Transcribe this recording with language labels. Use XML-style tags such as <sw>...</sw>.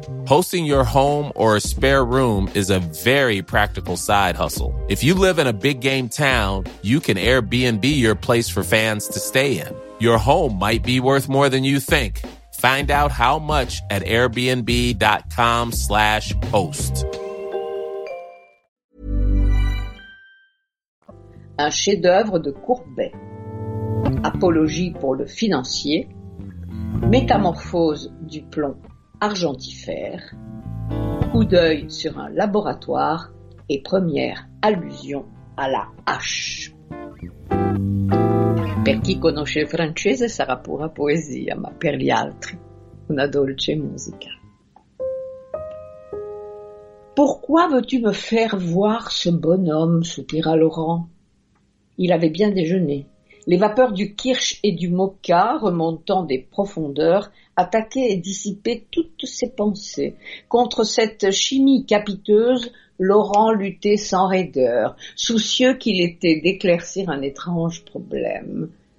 <en>Hosting your home or a spare room is a very practical side hustle. If you live in a big game town, you can Airbnb your place for fans to stay in. Your home might be worth more than you think. Find out how much at airbnb.com/host.</en> <fr>Un chef-d'œuvre de Courbet. Apologie pour le financier. Métamorphose du plomb argentifère. Coup d'œil sur un laboratoire et première allusion à la hache.</fr> <it>Per chi conosce il francese sarà pura poesia, ma per gli altri una dolce musica.</it> <fr>Pourquoi veux-tu me faire voir ce bonhomme? Soupira Laurent. Il avait bien déjeuné. Les vapeurs du kirsch et du mocha remontant des profondeurs attaquaient et dissipaient toutes ses pensées. Contre cette chimie capiteuse, Laurent luttait sans raideur, soucieux qu'il était d'éclaircir un étrange problème.</fr>